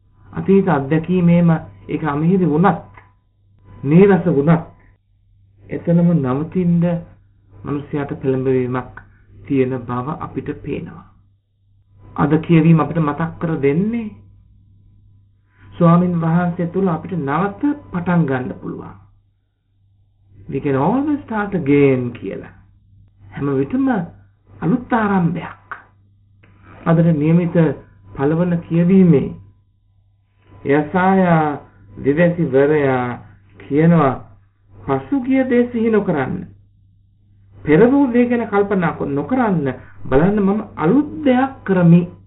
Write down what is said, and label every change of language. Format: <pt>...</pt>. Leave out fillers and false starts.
<si>අතීත අත්දැකීමේම ඒක අමහිදි වුණත් නීරස වුණත් එතනම නවතින්න මනුස්සයාට පෙළඹවීමක් තියෙන බව අපිට පේනවා. අද කියවීම අපිට මතක් කර දෙන්නේ ස්වාමින් වහන්සේ තුළ අපිට නවත පටන් ගන්න පුළුවන්.</si> <en>We can always start again</en> <si>කියලා. හැම විටම අලුත් ආරම්භයක්. අදට නියමිත පළවන කියවීමේ යසායා දිවැසි වරයා කියනවා පසුගිය දේ සිහි නොකරන්න. පෙර වූ දේ ගැන කල්පනා නොකරන්න බලන්න මම අලුත් දෙයක් කරමි.</si>